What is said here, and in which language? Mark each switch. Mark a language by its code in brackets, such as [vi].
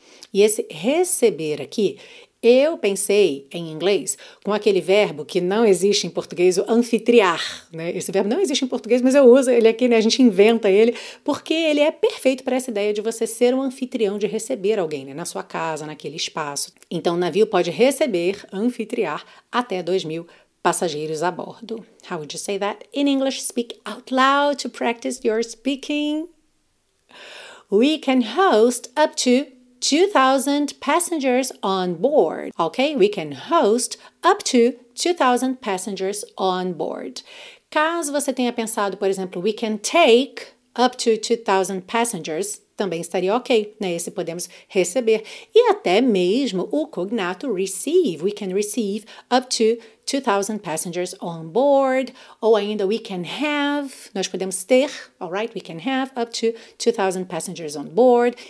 [pt] E esse receber aqui, eu pensei em inglês com aquele verbo que não existe em português, o anfitriar, né? Esse verbo não existe em português, mas eu uso ele aqui, né? A gente inventa ele, porque ele é perfeito para essa ideia de você ser um anfitrião, de receber alguém, né? Na sua casa, naquele espaço. Então, o navio pode receber, anfitriar, até 2 mil passageiros a bordo. [en] How would you say that in English? Speak out loud to practice your speaking. We can host up to 2,000 passengers on board, ok? We can host up to 2,000 passengers on board. [pt] Caso você tenha pensado, por exemplo, [en] we can take up to 2,000 passengers, [pt] também estaria ok, né? Esse podemos receber. E até mesmo o cognato receive, [en] we can receive up to 2,000 passengers on board, [pt] ou ainda [en] we can have, [pt] nós podemos ter, all right, [en] we can have up to 2,000 passengers on board.